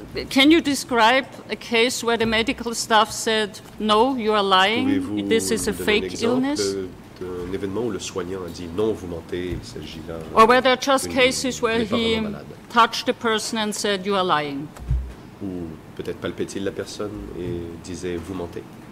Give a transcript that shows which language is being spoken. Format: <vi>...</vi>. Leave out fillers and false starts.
<en>Can you describe a case where the medical staff said, no, you are lying, this is a fake illness?</en> <fr>D'un événement où le soignant a dit, non, vous mentez, il s'agit là.</fr> <en>Or were there just cases where he touched the person and said, you are lying?</en> <fr>Ou peut-être palpait-il la personne et disait, vous mentez?</fr>